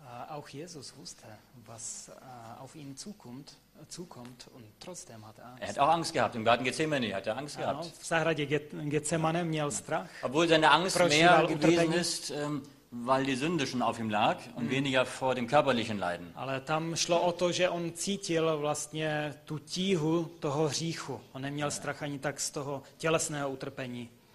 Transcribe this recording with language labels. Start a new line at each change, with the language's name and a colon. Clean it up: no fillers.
German: Auch Jesus wusste, was auf ihn zukommt und trotzdem hat er Angst. Er hat auch Angst gehabt, im Garten Gethsemane hat er Angst gehabt.
Czech: V zahradě Gethsemane měl strach.
German: Obwohl seine Angst mehr gewesen ist, weil die Sünde schon auf ihm lag und weniger vor dem körperlichen Leiden.
Czech: Ale tam šlo o to, že on cítil vlastně tu tíhu toho hříchu. On neměl strach ani tak z toho tělesného utrpení.